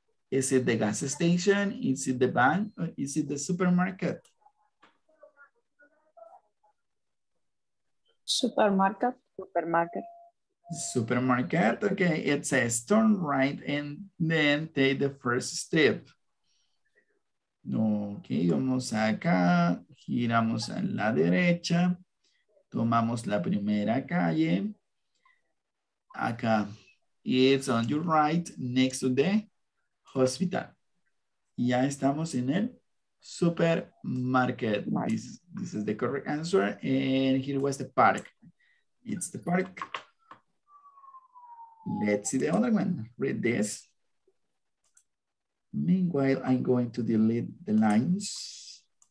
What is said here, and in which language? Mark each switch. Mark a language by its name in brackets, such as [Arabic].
[English] Is it the gas station? Is it the bank? Or is it the supermarket? Supermarket. Okay, it says turn right and then take the first strip. [Spanish] Okay, vamos acá, giramos a la derecha, tomamos la primera calle, acá. [English] It's on your right next to the hospital. [Spanish] Ya estamos en el supermarket. [English] This is the correct answer. And here was the park. It's the park. Let's see the other one. Read this. Meanwhile, I'm going to delete the lines.